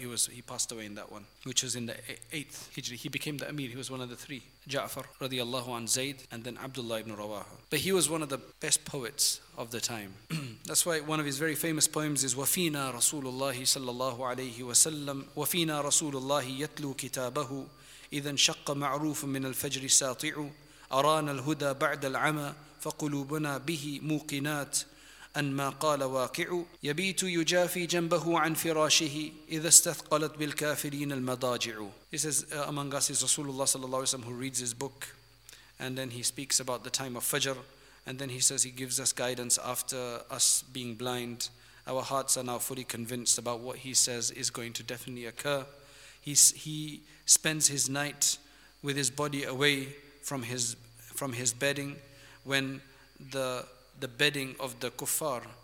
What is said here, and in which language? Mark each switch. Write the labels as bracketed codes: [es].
[en] He passed away in that one, which was in the 8th Hijri. He became the Amir, he was one of the three, Ja'far radiallahu an Zayd, and then Abdullah ibn Rawaha. But he was one of the best poets of the time. That's why one of his very famous poems is Wafina Rasulullah sallallahu alayhi wa sallam, Wafina Rasulullah yatlu kitabahu. [ar] إذا انشق معروف من الفجر ساطع أرانا الهدى بعد العمى فقلوبنا به موقنات أن ما قال واقع يبيت يجافي جنبه عن فراشه إذا استثقلت بالكافرين المضاجع. [en] He says, among us is Rasulullah sallallahu alayhi wa sallam, who reads his book, and then he speaks about the time of Fajr, and then he says he gives us guidance after us being blind. Our hearts are now fully convinced about what he says is going to definitely occur. He spends his night with his body away from his bedding, when the bedding of the kuffar